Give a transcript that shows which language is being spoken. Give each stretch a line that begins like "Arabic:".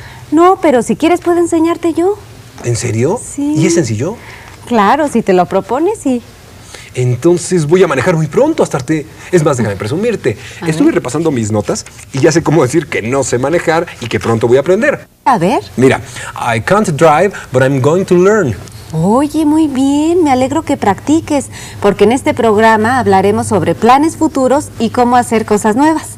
Spanish: No, pero si quieres puedo enseñarte yo. ¿En serio? Sí. ¿Y es sencillo? Claro, si te lo propones, sí. Entonces voy a manejar muy pronto, Astarte. Es más, déjame presumirte. Estuve repasando mis notas y ya sé cómo decir que no sé manejar y que pronto voy a aprender. A ver. Mira,
English: I can't drive, but I'm going to learn.
Spanish: Oye, muy bien. Me alegro que practiques, porque en este programa hablaremos sobre planes futuros y cómo hacer cosas nuevas.